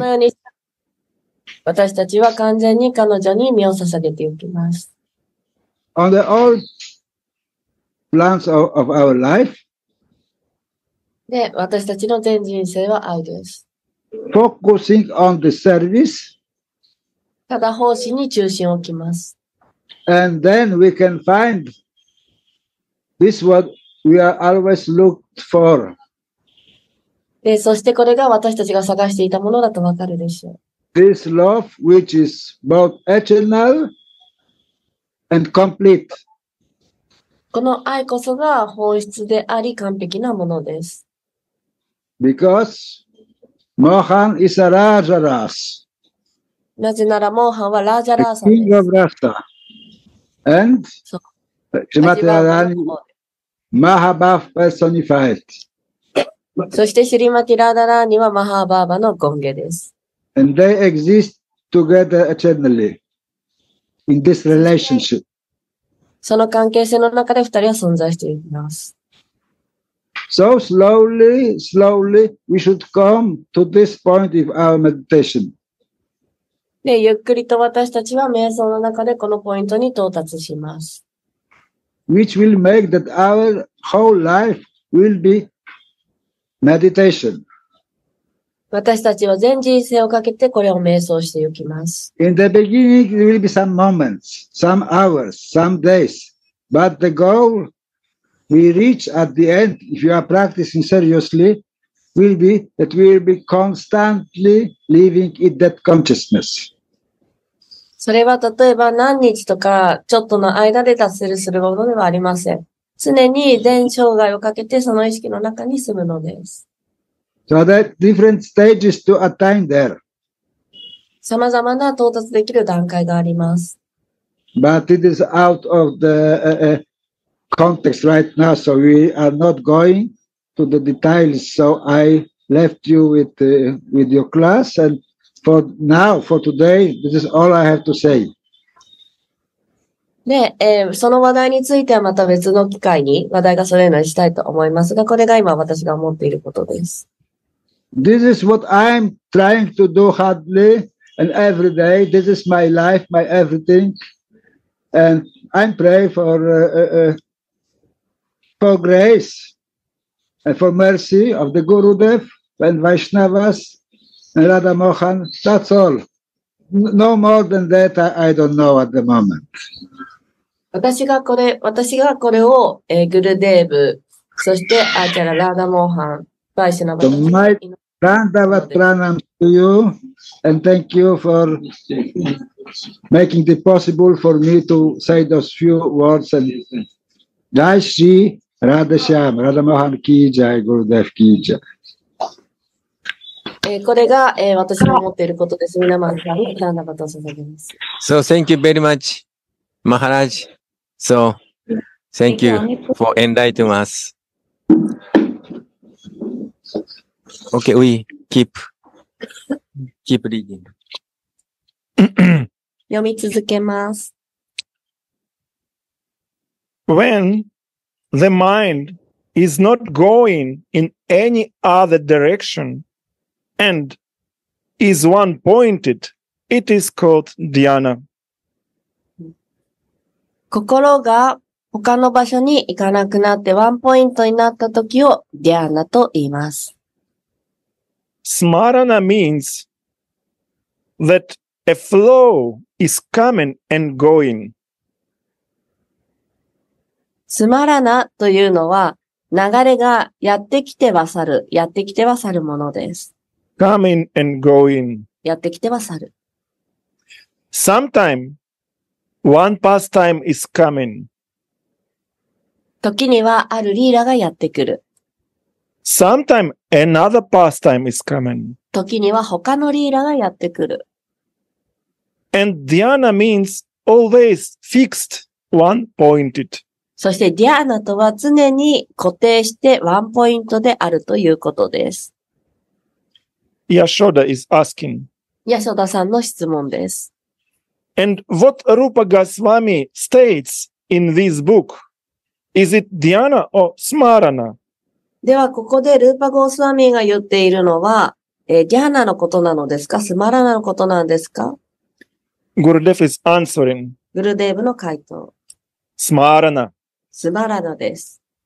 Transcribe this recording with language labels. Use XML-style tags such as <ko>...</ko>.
<ja>このように私たちは完全に彼女に身を捧げていきます。</ja> <en>On the all plans of our life.</en> <ja>で、私たちの全人生は愛です。</ja> <en>Focusing on the service.</en> <ja>ただ奉仕に中心を置きます。</ja> <en>And then we can find this what we are always looked for.</en> <ja>で、そしてこれが私たちが探していたものだとわかるでしょう。</ja> <en>This love which is both eternal and complete.</en> <ja>この愛こそが本質であり完璧なものです。</ja> <en>Because Mohan is a Rajaras.</en> <ja>なぜならモーハンはラージャラーサです。</ja> <en>The king of Rasta. And Srimati Radharani Mahabhava personified.</en> <ja>そしてシュリマティ・ラーダラーニはマハーバーバの権化です。</ja> <en>And they exist together eternally in this relationship.</en> <ja>その関係性の中で二人は存在しています。</ja> <en>So slowly, slowly, we should come to this point of our meditation.</en> <ja>で、ゆっくりと私たちは瞑想の中でこのポイントに到達します。</ja> <en>Which will make that our whole life will be meditation.</en> <ja>私たちは全人生をかけてこれを瞑想していきます。</ja> <en>In the beginning, there will be some moments, some hours, some days, but the goal. We reach at the end, if you are practicing seriously, will be that we will be constantly living in that consciousness.</en> <ja>それは例えば何日とかちょっとの間で達成するものではありません。常に全生涯をかけてその意識の中に住むのです。</ja> <en>So there are different stages to attain there.</en> <ja>さまざまな到達できる段階があります。</ja> <en>But it is out of the, context right now, so we are not going to the details. So I left you with your class, and for now, for today, this is all I have to say.</en> <ja>で、その話題についてはまた別の機会に話題がそれぞれしたいと思いますが、これが今私が思っていることです。</ja> <en>This is what I'm trying to do hardly and every day. This is my life, my everything, and I'm praying for. For grace and for mercy of the Gurudev and Vaishnavas and Radha Mohan, that's all. No more than that, I don't know at the moment.</en> <ja>私がこれを、グルデーブ、そしてアーチャラ・ラダ・モーハン、バイシナバ。</ja> <en>My Pandava Pranam to you and thank you for making it possible for me to say those few words and Jai Shri.</en> <hi>Radha Shyam, Radha Mohan Ki Jai, Gurudev Ki Jai.</hi> <ja>これが、私が思っていることです。皆さんにダンダバトを捧げます。</ja> <en>So, thank you very much, Maharaj. So, thank you for enlightening us. Okay, we keep reading.</en> <ja>読み続けます。</ja> <en>When the mind is not going in any other direction and is one pointed, it is called dhyana.</en> <ja>心が他の場所に行かなくなってワンポイントになったときをディアーナと言います。</ja> <en>Smarana means that a flow is coming and going.</en> <ja>スマラナというのは流れがやってきては去る、やってきては去るものです。</ja> <en>Coming and going.</en> <ja>やってきては去る。</ja> <en>Sometime, one pastime is coming.</en> <ja>時にはあるリーラがやってくる。</ja> <en>Sometime another pastime is coming.</en> <ja>時には他のリーラがやってくる。</ja> <en>And dhyana means always fixed, one pointed.</en> <ja>そしてdhyanaとは常に固定してワンポイントであるということです。</ja> <en>Yashoda is asking.</en> <ja>Yashoda さんの質問です。</ja> <en>And what Rupa Goswami states in this book? Is it dhyana or smarana?</en> <ja>ではここでルーパゴースワミが言っているのは、dhyana のことなのですか、スマラナのことなんですか？</ja> <en>Gurudev is answering.</en> <ja>Gurudev の回答。</ja> <en>Smarana.</en> <ja>スマラナです。</ja>